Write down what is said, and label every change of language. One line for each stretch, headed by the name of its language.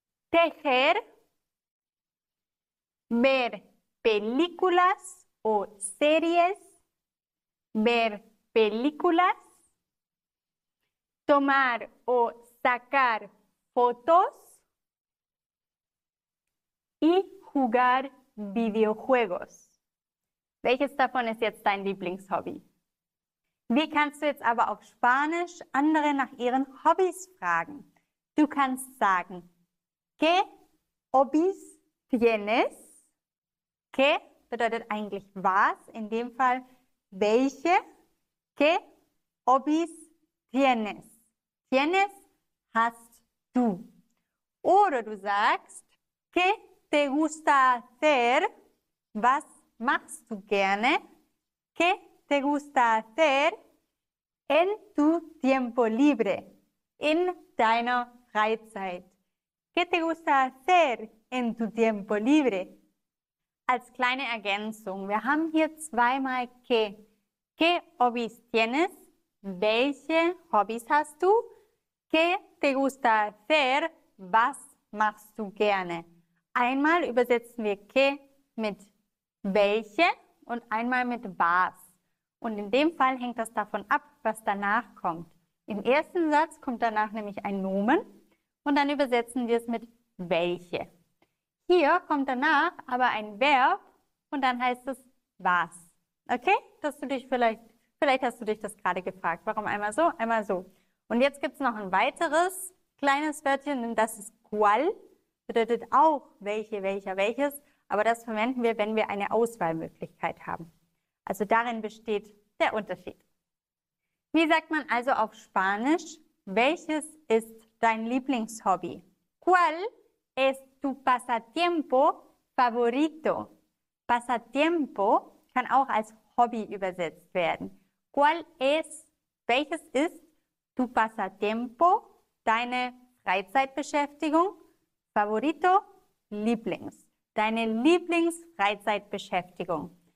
Spanish: Tejer, ver películas o series, ver películas, tomar o sacar fotos y jugar videojuegos.
German: Welches davon ist jetzt dein Lieblingshobby? Wie kannst du jetzt aber auf Spanisch andere nach ihren Hobbys fragen? Du kannst sagen,
Spanish: ¿Qué hobbies tienes?
German: ¿Qué bedeutet eigentlich was? In dem Fall, welche?
Spanish: ¿Qué hobbies tienes? ¿Tienes?
German: Hast du. Oder du sagst,
Spanish: ¿Qué te gusta hacer?
German: Was machst du gerne?
Spanish: ¿Qué te gusta hacer en tu tiempo libre?
German: In deiner Freizeit.
Spanish: ¿Qué te gusta hacer en tu tiempo libre?
German: Als kleine Ergänzung, wir haben hier zweimal que.
Spanish: ¿Qué hobbies tienes?
German: Welche Hobbys hast du?
Spanish: ¿Qué te gusta hacer?
German: Was machst du gerne? Einmal übersetzen wir que mit welche und einmal mit was. Und in dem Fall hängt das davon ab, was danach kommt. Im ersten Satz kommt danach nämlich ein Nomen und dann übersetzen wir es mit welche. Hier kommt danach aber ein Verb und dann heißt es was. Okay? Dass du dich vielleicht hast du dich das gerade gefragt. Warum einmal so, einmal so? Und jetzt gibt es noch ein weiteres kleines Wörtchen, denn das ist cuál. Bedeutet auch welche, welcher, welches. Aber das verwenden wir, wenn wir eine Auswahlmöglichkeit haben. Also darin besteht der Unterschied. Wie sagt man also auf Spanisch, welches ist dein Lieblingshobby?
Spanish: ¿Cuál es tu pasatiempo favorito?
German: Pasatiempo kann auch als Hobby übersetzt werden.
Spanish: ¿Cuál es,
German: welches ist
Spanish: tu pasatiempo,
German: deine Freizeitbeschäftigung? Favorito, Lieblings. Deine Lieblingsfreizeitbeschäftigung.